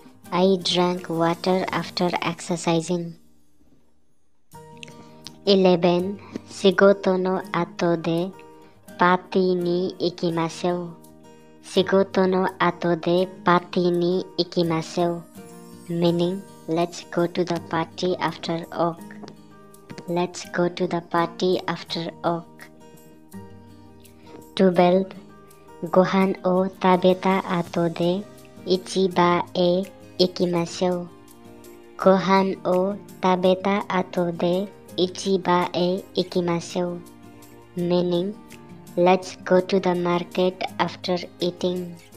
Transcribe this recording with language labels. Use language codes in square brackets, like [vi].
[en] I drank water after exercising. 11. [ja] 仕事の後でパーティーに行きましょう。仕事の後でパーティーに行きましょう。 [en] Meaning, let's go to the party after work. Let's go to the party after work. 12. [ja] ご飯を食べた後で市場へ行きましょう。ご飯を食べた後で市場へ行きましょう。 [en] Meaning, let's go to the market after eating.